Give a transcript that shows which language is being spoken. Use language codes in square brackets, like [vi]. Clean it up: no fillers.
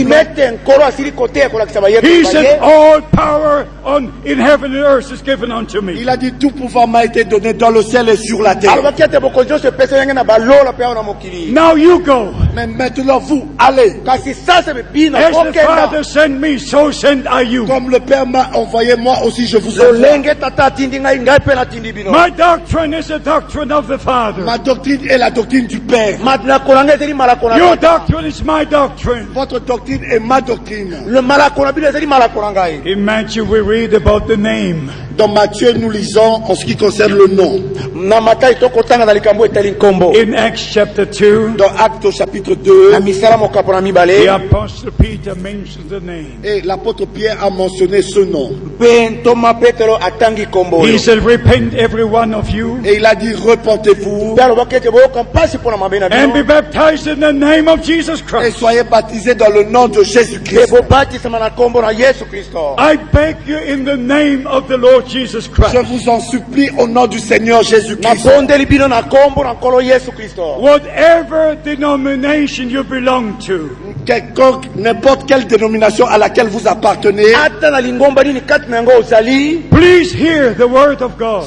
[en] He said, all power on in heaven and earth is given unto me. [fr] Il a dit tout pouvoir m'a été donné dans le ciel et sur la terre. [en] Now you go. [fr] Mais maintenant vous allez. [en] As the Father sent me, so send I you. [fr] Comme le Père m'a envoyé moi aussi je vous envoie. [en] My doctrine is the doctrine of the Father. [fr] Ma doctrine est la doctrine du Père. [en] Your doctrine is my doctrine. [fr] Votre doctrine est ma doctrine. Le malakona bila zeli malakona ngai. [en] In Matthew we read about the name. [fr] Dans Matthieu, nous lisons en ce qui concerne le nom. [en] In Acts chapter 2, [fr] dans Actes chapitre 2, [en] the Apostle Peter mentions the name. [fr] Et l'apôtre Pierre a mentionné ce nom. [en] He said, repent every one of you. [fr] Et il a dit, repentez-vous. [en] And be baptized in the name of Jesus Christ. [fr] Et soyez baptisés dans le nom de Jésus Christ. [en] I beg you in the name of the Lord. Jesus Christ. [fr] Je vous en supplie au nom du Seigneur Jésus Christ. [en] Whatever denomination you belong to. [fr] Quelconque, n'importe quelle dénomination à laquelle vous appartenez. [en] Please hear the word of God.